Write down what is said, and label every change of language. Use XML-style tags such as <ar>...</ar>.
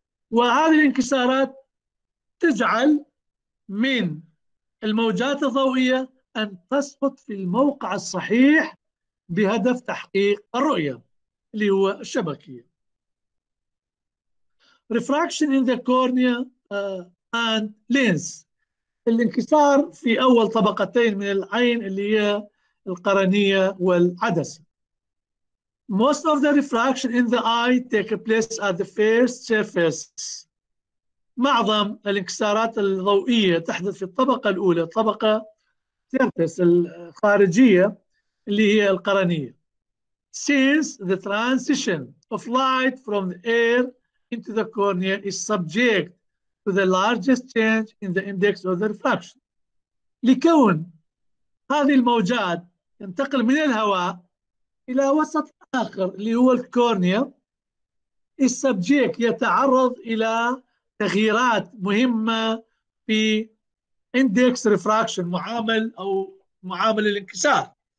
<ar>وهذه الانكسارات تجعل من الموجات الضوئية أن تسقط في الموقع الصحيح بهدف تحقيق الرؤية اللي هو الشبكية.</ar> <en>Refraction in the cornea and lens،</en> <ar>الانكسار في أول طبقتين من العين اللي هي القرنية والعدسة.</ar> <en>Most of the refraction in the eye take place at the first surface.</en> <ar>معظم الانكسارات الضوئية تحدث في الطبقة الأولى، طبقة surface الخارجية اللي هي القرنية.</ar> <en>Since the transition of light from the air into the cornea is subject to the largest change in the index of the refraction.</en> <ar>لكون هذه الموجات ينتقل من الهواء إلى وسط آخر اللي هو الكورنيا، السبجيك يتعرض إلى تغييرات مهمة في إندكس ريفراكشن، معامل أو معامل الانكسار.</ar>